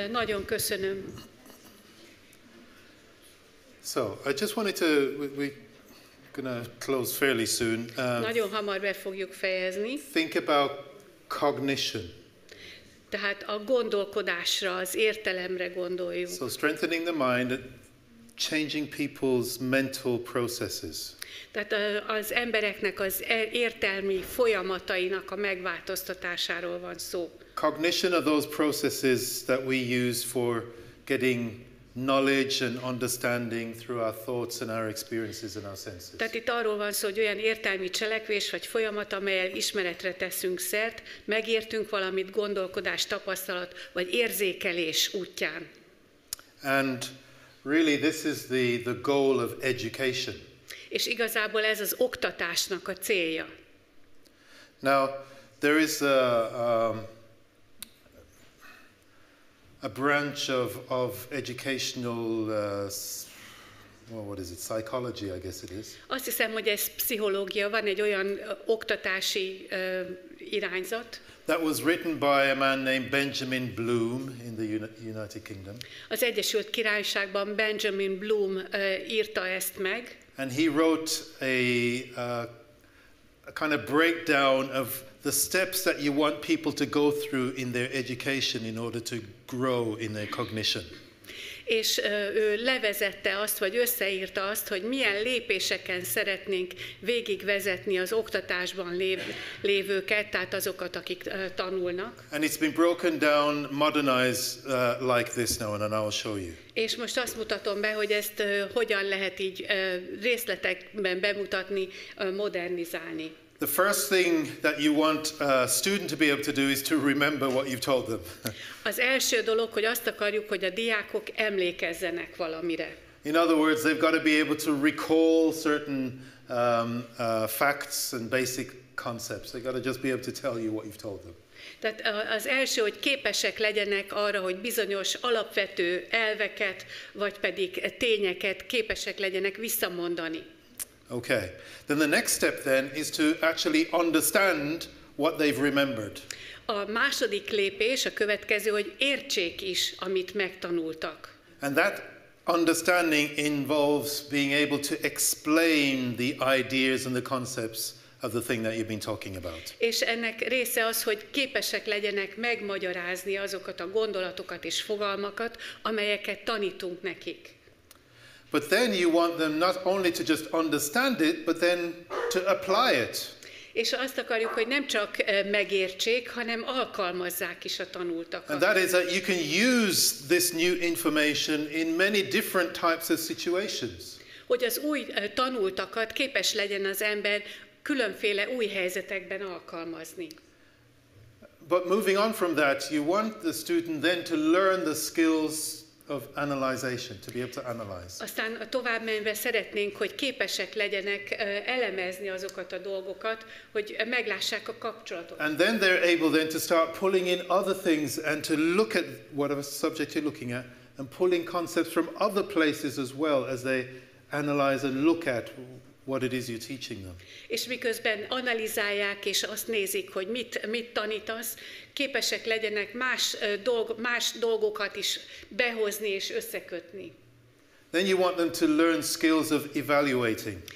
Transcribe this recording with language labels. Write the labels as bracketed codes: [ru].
[hu] Nagyon köszönöm. [en] So, I just wanted to, we're going to close fairly soon. [hu] Nagyon hamar be fogjuk fejezni. [en] Think about cognition. [hu] Tehát a gondolkodásra, az értelemre gondoljunk. [en] So, strengthening the mind, changing people's mental processes. [hu] Tehát az embereknek az értelmi folyamatainak a megváltoztatásáról van szó. [en] Cognition are those processes that we use for getting knowledge and understanding through our thoughts and our experiences and our senses. [hu] Tehát itt arról van szó, hogy olyan értelmi cselekvés vagy folyamat, amelyel ismeretre teszünk szert, megértünk valamit gondolkodás, tapasztalat vagy érzékelés útján. [en] And really this is the goal of education. [hu] És igazából ez az oktatásnak a célja. [en] Now there is a branch of educational psychology, I guess it is. [hu] Azt hiszem, hogy ez pszichológia, van egy olyan oktatási irányzat. [en] That was written by a man named Benjamin Bloom in the United Kingdom. [hu] Az Egyesült Királyságban Benjamin Bloom írta ezt meg. [en] And he wrote a kind of breakdown of the steps that you want people to go through in their education in order to grow in their cognition. [hu] És ő levezette azt, vagy összeírta azt, hogy milyen lépéseken szeretnénk végigvezetni az oktatásban lévőket, tehát azokat, akik tanulnak. [en] And it's been broken down, modernized like this now, and I'll show you. [hu] És most azt mutatom be, hogy ezt hogyan lehet így részletekben bemutatni, modernizálni. [en] The first thing that you want a student to be able to do is to remember what you've told them. [hu] Az első dolog, hogy azt akarjuk, hogy a diákok emlékezzenek valamire. [en] In other words, they've got to be able to recall certain facts and basic concepts. They've got to just be able to tell you what you've told them. [hu] Tehát az első, hogy képesek legyenek arra, hogy bizonyos alapvető elveket vagy pedig tényeket képesek legyenek visszamondani. [en] Okay. Then the next step then is to actually understand what they've remembered. [hu] A második lépés a következő, hogy értsék is, amit megtanultak. [en] And that understanding involves being able to explain the ideas and the concepts of the thing that you've been talking about. [hu] És ennek része az, hogy képesek legyenek megmagyarázni azokat a gondolatokat és fogalmakat, amelyeket tanítunk nekik. [en] But then you want them not only to just understand it, but then to apply it. [hu] És azt akarjuk, hogy nem csak megértsék, hanem alkalmazzák is a tanultakat. [en] And that is that you can use this new information in many different types of situations. [hu] Hogy az új tanultakat képes legyen az ember különféle új helyzetekben alkalmazni. [en] But moving on from that, you want the student then to learn the skills of analyzation, to be able to analyze. [hu] Aztán tovább menve szeretnénk, hogy képesek legyenek elemezni azokat a dolgokat, hogy meglássák a kapcsolatot. [en] And then they're able then to start pulling in other things and to look at whatever subject you're looking at and pulling concepts from other places as well as they analyze and look at what it is you're teaching them. [hu] És miközben analizálják és azt nézik, hogy mit tanítasz, képesek legyenek más dolgokat is behozni és összekötni. [en] Then you want them to learn skills of evaluating.